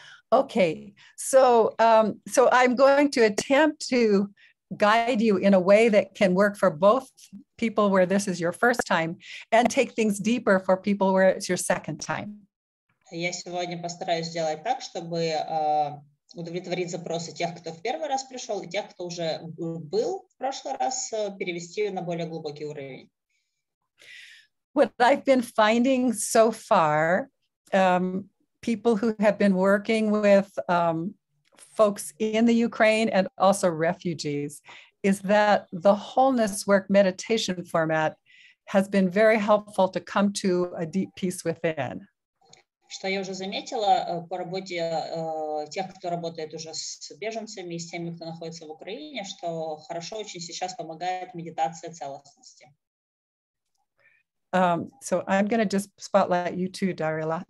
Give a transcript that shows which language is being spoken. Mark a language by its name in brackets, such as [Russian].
[English] Okay, so I'm going to attempt to guide you in a way that can work for both people where this is your first time and take things deeper for people where it's your second time. [Russian] Я сегодня постараюсь сделать так, чтобы удовлетворить запросы тех, кто в первый раз пришел, и тех, кто уже был в прошлый раз, перевести на более глубокий уровень. [English] What I've been finding so far... people who have been working with folks in the Ukraine and also refugees, is that the wholeness work meditation format has been very helpful to come to a deep peace within. [Russian] Что я уже заметила по работе тех, кто работает уже с беженцами и с теми, кто находится в Украине, что хорошо очень сейчас помогает медитация целостности. [English] So I'm going to just spotlight you too, Daryla.